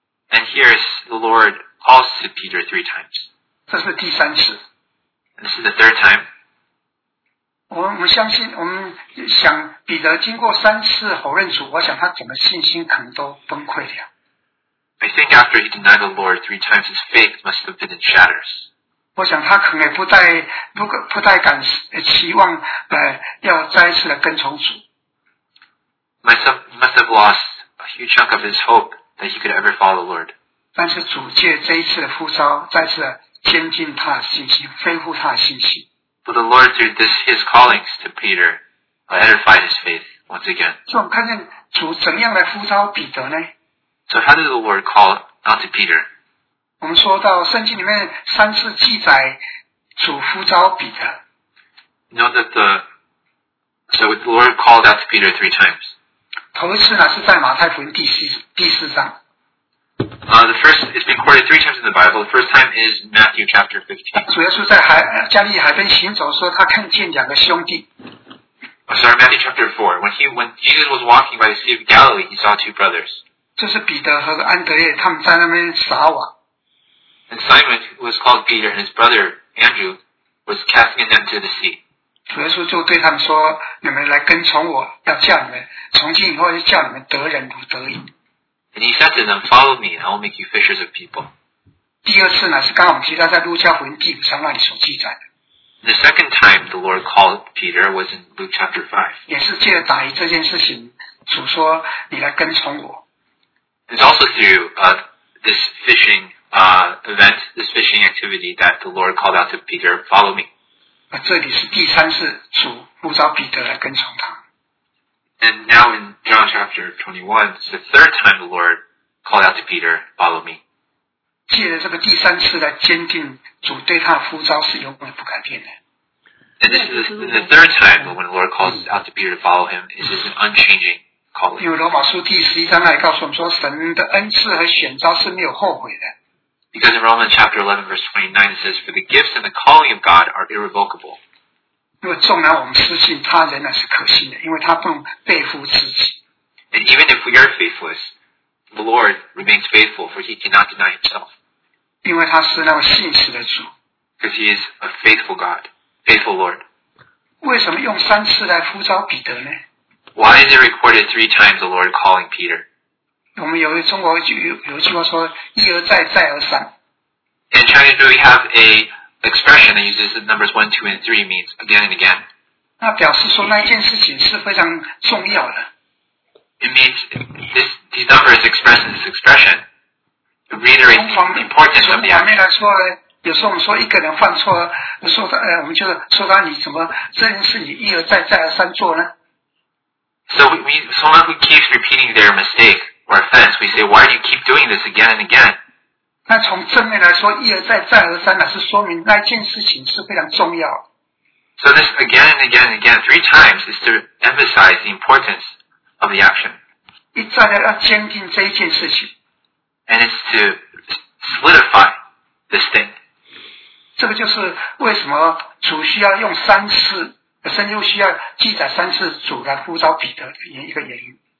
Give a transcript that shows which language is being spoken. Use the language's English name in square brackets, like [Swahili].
[English] And here is the Lord calls to Peter three times. [Chinese] 这是第三次。 [English] This is the third time. [Chinese] 我们相信我们想彼得经过三次否认主，我想他整个信心可能都崩溃了。 [English] I think after he denied the Lord three times, his faith must have been in shatters. [Chinese] 我想他可能也不太敢期望要再次的跟从主。 [English] He must have lost a huge chunk of his hope that he could ever follow the Lord. [Chinese] 但是主借这一次的呼召，再次坚定他的信心，恢复他的信心。 [English] But the Lord through his callings to Peter, edified his faith once again. [Chinese] 所以我看见主怎样来呼召彼得呢？ [English] So how did the Lord call out to Peter? [Chinese] 我们说到圣经里面三次记载主呼召彼得。 [English] You know that the Lord called out to Peter three times. [Chinese] 头一次呢是在马太福音第四章。 [English] The first, it's been quoted three times in the Bible. The first time is Matthew chapter 15. [Chinese] 主耶稣在加利利海边行走，说他看见两个兄弟。 [English] Matthew chapter 4. When Jesus was walking by the Sea of Galilee, he saw two brothers. [Chinese] 这是彼得和安德烈，他们在那边撒网。 [English] And Simon, who was called Peter, and his brother Andrew, was casting a net into the sea. [Chinese] 主耶稣就对他们说，你们来跟从我，要叫你们，从今以后要叫你们得人如得义。 [English] And he said to them, follow me, and I will make you fishers of people. [Chinese] 第二次呢，是刚刚我们提到在路加福音第五章那里所记载的。 [English] The second time the Lord called Peter was in Luke chapter 5. [Chinese] 也是借着打鱼这件事情，主说你来跟从我。 [English] It's also through this fishing event, this fishing activity that the Lord called out to Peter, follow me. [Chinese] 这里是第三次主呼召彼得来跟从他。 [English] And now in John chapter 21, it's the third time the Lord called out to Peter, follow me. [Chinese] 借着这个第三次来坚定主对他的呼召是永远不改变的。 [English] And this is the third time when the Lord calls out to Peter to follow him, this is an unchanging calling. [Chinese] 因为罗马书第十一章来告诉我们说，神的恩赐和选召是没有后悔的。 [English] Because in Romans chapter 11 verse 29 it says, For the gifts and the calling of God are irrevocable. [Chinese] 因为纵然我们失信，他仍然是可信的，因为他不能背负自己。 [English] And even if we are faithless, the Lord remains faithful, for he cannot deny himself. [Chinese] 因为他是那位信实的主。 [English] Because he is a faithful God, faithful Lord. [Chinese] 为什么用三次来呼召彼得呢？ [English] Why is it recorded three times the Lord calling Peter? [Chinese] 我们有中国有句话说，一而再，再而三。 [English] In Chinese, do we have a expression that uses the numbers 1, 2, and 3 means again and again? [Chinese] 那表示说那一件事情是非常重要的。 [English] It means these numbers express this expression. It reiterates the importance of the action. [Chinese] 从方面来说，有时候我们说一个人犯错了，说他，我们就说他你怎么这件事你一而再再而三做呢？ [English] So someone who keeps repeating their mistake or offense, we say, why do you keep doing this again and again? [Chinese] 那从正面来说，一而再再而三，那是说明那件事情是非常重要。 [English] So this again and again and again three times is to emphasize the importance. Of the action. [Chinese] 一再的要坚定这一件事情。 [English] And it's to solidify this thing. [Chinese] 这个就是为什么主需要用三次，圣经需要记载三次主来呼召彼得的一个原因。